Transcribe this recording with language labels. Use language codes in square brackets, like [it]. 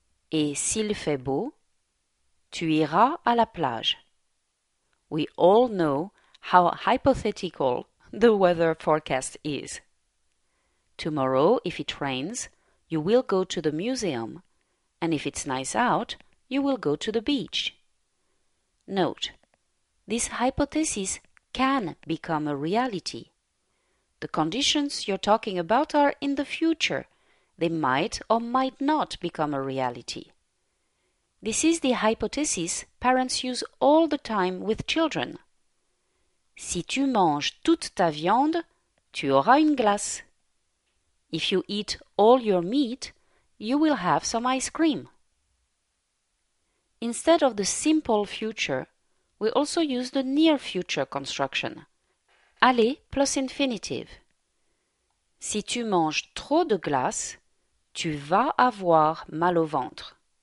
[fr] Et s'il fait beau, tu iras à la plage. [en] We all know how hypothetical the weather forecast is. Tomorrow, if it rains, you will go to the museum, and if it's nice out, you will go to the beach. Note, this hypothesis can become a reality. The conditions you're talking about are in the future. They might or might not become a reality. This is the hypothesis parents use all the time with children. [fr] Si tu manges toute ta viande, tu auras une glace. [en] If you eat all your meat, you will have some ice cream. Instead of the simple future, we also use the near future construction. Aller plus infinitive. [fr] Si tu manges trop de glace, tu vas avoir mal au ventre.